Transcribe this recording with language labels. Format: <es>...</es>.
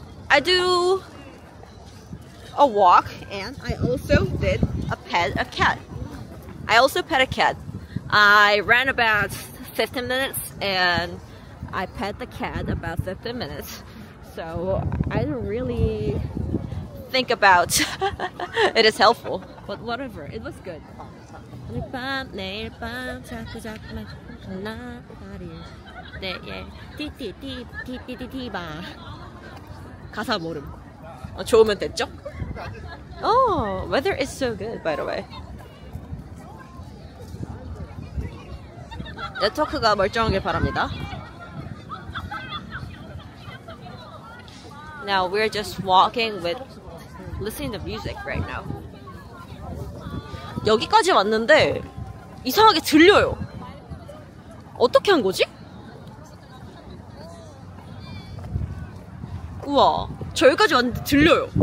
<en>I do a walk and I also did pet a cat. I ran about 15 minutes and I pet the cat about 15 minutes. So I don't really think about it is helpful. But whatever, it was good.</en> <ko>오늘 밤, 내일 밤, 자꾸 만나, 다리, 네, 예. 띠띠띠띠띠띠띠바. 가사 모름. 좋으면 됐죠?</ko> <en>Oh, weather is so good, by the way.</en> <ko>네트워크가 멀쩡하길 바랍니다.</ko> <en>Now we're just walking with listening to music right now.</en> <ko>여기까지 왔는데 이상하게 들려요. 어떻게 한 거지? 우와, 저 여기까지 왔는데 들려요.</ko>